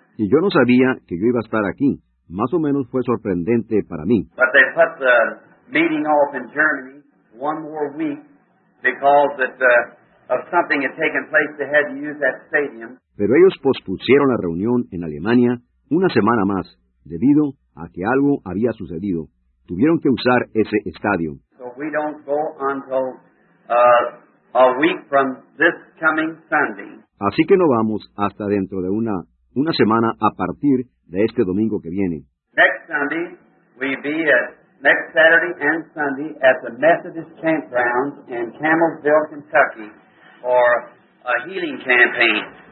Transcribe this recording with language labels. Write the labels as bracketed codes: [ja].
[es] Y yo no sabía que yo iba a estar aquí. Más o menos fue sorprendente para mí. [en] But they put the meeting off in Germany one more week because of something had taken place. They had to use that stadium. [es] Pero ellos pospusieron la reunión en Alemania una semana más debido a que algo había sucedido. Tuvieron que usar ese estadio. [en] So we don't go until a week from this coming Sunday. [es] Así que no vamos hasta dentro de una semana a partir de este domingo que viene. [en] Next Sunday we be at Next Saturday and Sunday at the Methodist Campground in Campbellsville, Kentucky, for a healing campaign.